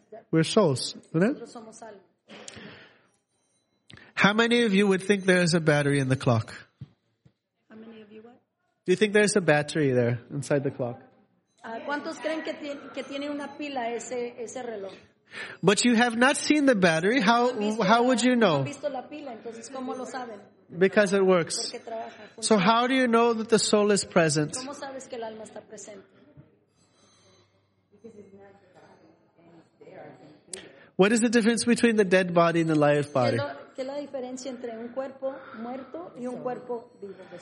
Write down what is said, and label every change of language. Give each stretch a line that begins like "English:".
English: We're souls, isn't it? How many of you would think there's a battery in the clock? How many of you what? Do you think there's a battery there inside the clock?
Spanish: ¿Cuántos creen que tiene una pila ese reloj?
English: But you have not seen the battery. How would you know?
Spanish: Visto la pila, entonces, ¿cómo lo saben?
English: Because it works.
Spanish: Porque trabaja.
English: So how do you know that the soul is present?
Spanish: ¿Cómo sabes que el alma está presente?
English: What is the difference between the dead body and the live body?
Spanish: ¿Qué es la diferencia entre un cuerpo muerto y un cuerpo vivo?